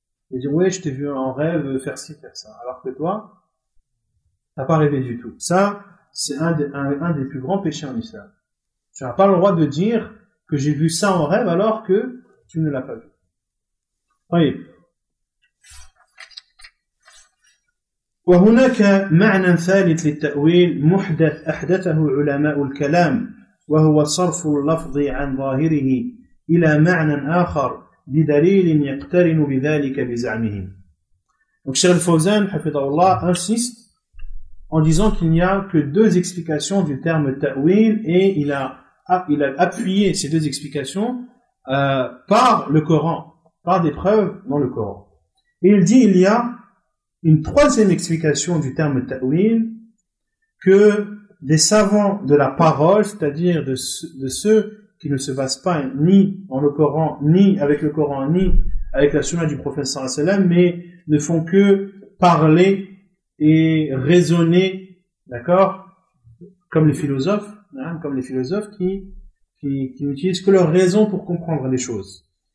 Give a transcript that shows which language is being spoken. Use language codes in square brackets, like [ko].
[fr] Et dire, ouais, je t'ai vu en rêve faire ci, faire ça. Alors que toi, t'as pas rêvé du tout. Ça, c'est un des plus grands péchés en islam. Tu n'as pas le droit de dire que j'ai vu ça en rêve alors que tu ne l'as pas vu. Oui. [ar] وهناك معنى ثالث للتأويل محدث أحدثه علماء الكلام وهو صرف اللفظ عن ظاهره إلى معنى آخر بدليل يقترن بذلك بزعمهم. [fr] Donc, Cheikh Al-Fawzan, [ar] حفظه الله, [fr] insiste en disant qu'il n'y a que deux explications du terme ta'wil et il a appuyé ces deux explications par le Coran, par des preuves dans le Coran. Et il dit il y a une troisième explication du terme ta'wil que des savants de la parole, c'est-à-dire de ceux qui ne se basent pas ni en le Coran, ni avec le Coran, ni avec la sunna du prophète sallallahu alayhi wa sallam, mais ne font que parler et raisonner, d'accord, comme les philosophes qui n'utilisent que leur raison pour comprendre les choses.